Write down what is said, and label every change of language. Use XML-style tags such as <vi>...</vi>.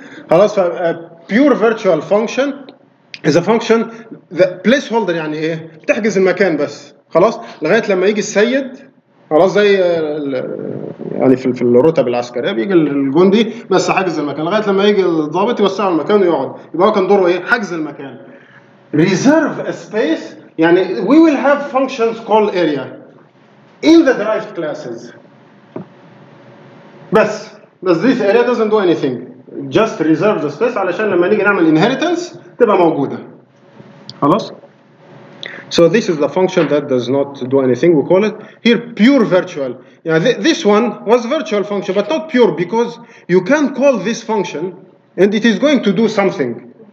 <ar>خلاص</ar> <en>ف pure virtual function is a function the place holder.</en> <ar>يعني ايه؟ بتحجز المكان بس خلاص لغايه لما يجي السيد. خلاص زي يعني في الرتب العسكريه بيجي الجندي بس حاجز المكان لغايه لما يجي الضابط يوسع المكان ويقعد. يبقى هو كان دوره ايه؟ حجز المكان.</ar> <en>Reserve space.</en> <ar>يعني</ar> <en>we will have functions called area in the derived classes.</en> <ar>بس بس</ar> <en>this area doesn't do anything. Just reserve the space</en> <ar>علشان لما نيجي نعمل inheritance تبقى موجودة.</ar> <en>خلاص؟ So this is the function that does not do anything. We call it here pure virtual. Yeah, this one was virtual function but not pure because you can call this function and it is going to do something.</en>